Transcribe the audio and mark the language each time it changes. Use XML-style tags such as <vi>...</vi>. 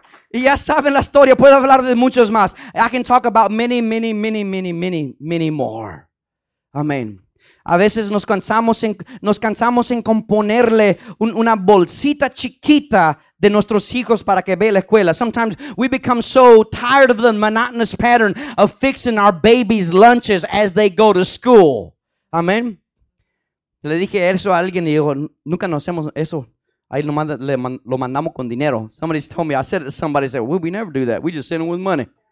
<es>Y ya saben la historia, puedo hablar de muchos más.</es> <en>I can talk about many more.</en> <es>Amén. A veces nos cansamos en componerle una bolsita chiquita de nuestros hijos para que vea la escuela.</es> <en>Sometimes we become so tired of the monotonous pattern of fixing our babies' lunches as they go to school.</en> <es>Amén. Le dije eso a alguien y dijo, nunca nos hacemos eso. Ahí lo mandamos con dinero.</es> <en>Somebody told me, I said it to somebody, said, well, we never do that. We just send them with money.</en>